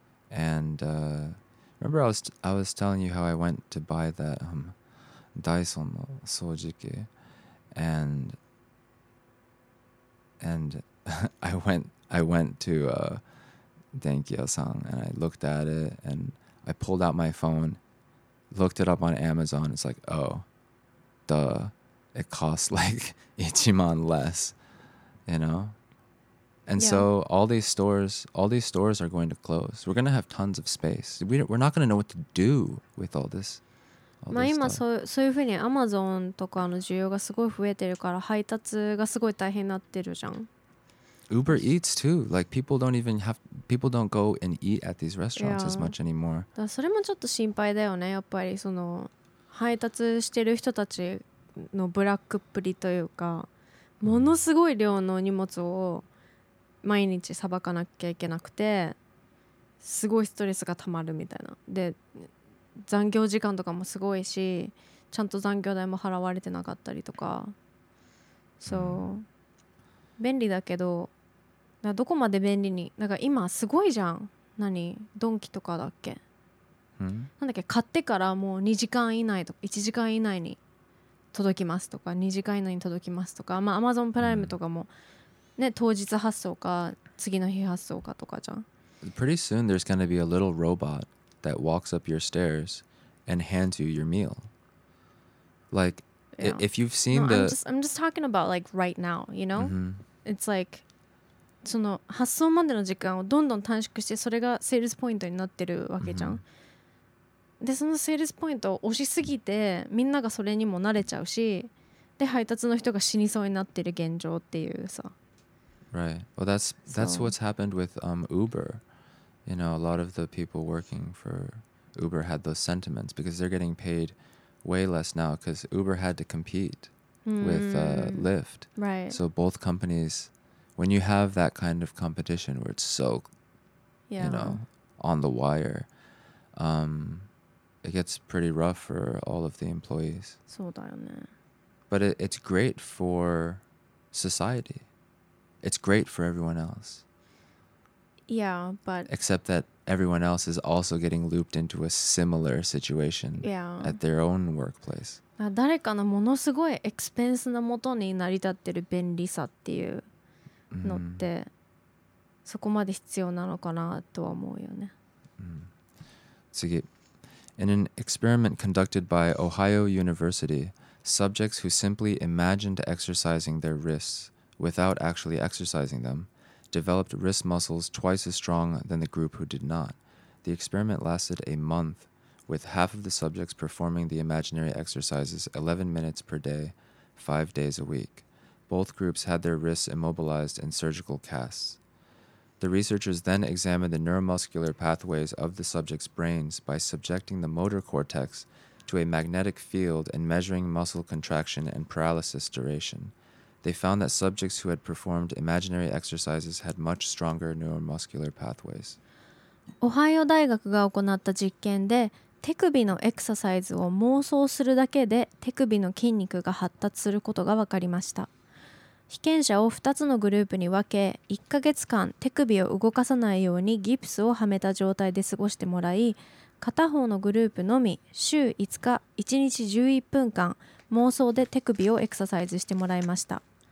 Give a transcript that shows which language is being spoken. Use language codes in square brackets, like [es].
[en] And remember I was telling you how I went to buy that Dyson 掃除機, and I went to Denki Yasan and I looked at it and I pulled out my phone, looked it up on Amazon. It's like, oh, duh, it costs like 1万 less, you know? And yeah. So all these stores are going to close. We're going to have tons of space. We're not going to know what to do with all this. [ja] まあ今そういうふうにアマゾンとかの需要がすごい増えてるから配達がすごい大変になってるじゃん。 [en] Uber Eats too. Like people don't go and eat at these restaurants as much anymore. [ja] だからそれもちょっと心配だよね。やっぱりその配達してる人たちのブラックっぷりというか、ものすごい量の荷物を毎日さばかなきゃいけなくて、すごいストレスがたまるみたいな。で、残業時間とかもすごいし、ちゃんと残業代も払われてなかったりとか、そう、便利だけど、だからどこまで便利に、だから今すごいじゃん。何？ドンキとかだっけ？なんだっけ？買ってからもう2時間以内とか1時間以内に届きますとか、2時間以内に届きますとか、まあ Amazon プライムとかも。ね、当日発送か次の日発送かとかじゃん。 [en] Pretty soon there's going to be a little robot that walks up your stairs and hands you your meal. Like, yeah. If you've seen no, the... I'm just talking about like right now, you know? Mm-hmm. It's like, [ja] その発送までの時間をどんどん短縮してそれがセールスポイントになってるわけじゃん。 Mm-hmm. で、そのセールスポイントを押しすぎてみんながそれにも慣れちゃうし、で、配達の人が死にそうになってる現状っていうさ。 [en] Right. Well, that's what's happened with Uber. You know, a lot of the people working for Uber had those sentiments because they're getting paid way less now because Uber had to compete with Lyft. Right. So both companies, when you have that kind of competition where it's so, you know, on the wire, it gets pretty rough for all of the employees. [ja] そうだよね。 [en] But it's great for society. It's great for everyone else. Yeah, but... Except that everyone else is also getting looped into a similar situation at their own workplace. [ja] 誰かのものすごいエクスペンスのもとに成り立ってる便利さっていうのってそこまで必要なのかなとは思うよね。次。 [en] In an experiment conducted by Ohio University, subjects who simply imagined exercising their wrists without actually exercising them, developed wrist muscles twice as strong than the group who did not. The experiment lasted a month, with half of the subjects performing the imaginary exercises 11 minutes per day, 5 days a week. Both groups had their wrists immobilized in surgical casts. The researchers then examined the neuromuscular pathways of the subjects' brains by subjecting the motor cortex to a magnetic field and measuring muscle contraction and paralysis duration. They found that subjects who had performed imaginary exercises had much stronger neuromuscular pathways. [ja] Ohio 大学が行った実験で、手首のエクササイズを妄想するだけで手首の筋肉が発達することが分かりました。被験者を2つのグループに分け、1ヶ月間手首を動かさないようにギプスをはめた状態で過ごしてもらい、片方のグループのみ週5日1日11分間妄想で手首をエクササイズしてもらいました。